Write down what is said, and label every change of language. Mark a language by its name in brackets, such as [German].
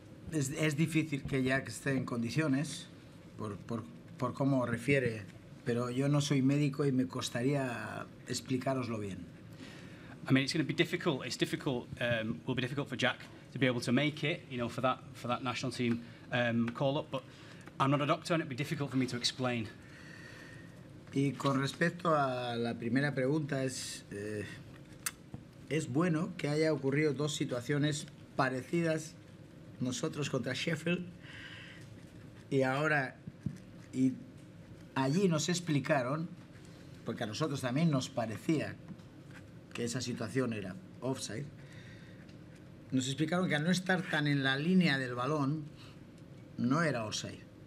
[Spanish] Es difícil que Jack esté en condiciones, por cómo refiere. Pero yo no soy médico y me costaría explicároslo bien. [English] I mean, it's going to be difficult. It's difficult. Will be difficult for Jack to be able to make it, you know, for that national team call up. But I'm not a doctor, and it'd be difficult for me to explain. [Spanish] Y con respecto a la primera pregunta es bueno que haya ocurrido dos situaciones parecidas, nosotros contra Sheffield y ahora y allí nos explicaron, porque a nosotros también nos parecía que esa situación era offside, nos explicaron que al no estar tan en la línea del balón, no era offside.